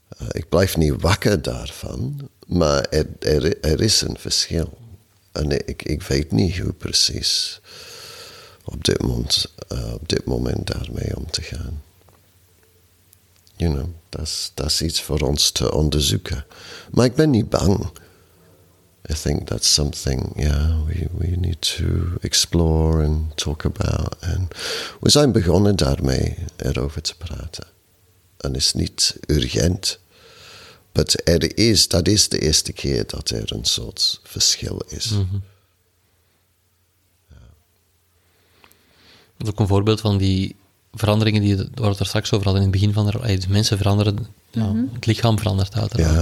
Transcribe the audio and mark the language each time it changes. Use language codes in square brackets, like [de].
[nl] Ik blijf niet wakker daarvan. Maar er is een verschil. En ik weet niet hoe precies op dit moment daarmee om te gaan. [en] You know, [nl] dat is iets voor ons te onderzoeken. Maar ik ben niet bang. [en] I think that's something, we need to explore and talk about. And [nl] we zijn begonnen daarmee erover te praten. En het is niet urgent. [en] But [nl] dat is de eerste keer dat er een soort verschil is. Mm-hmm. Ja. Dat is ook een voorbeeld van die veranderingen die we er straks over hadden in het begin van de mensen veranderen, het lichaam verandert uiteraard.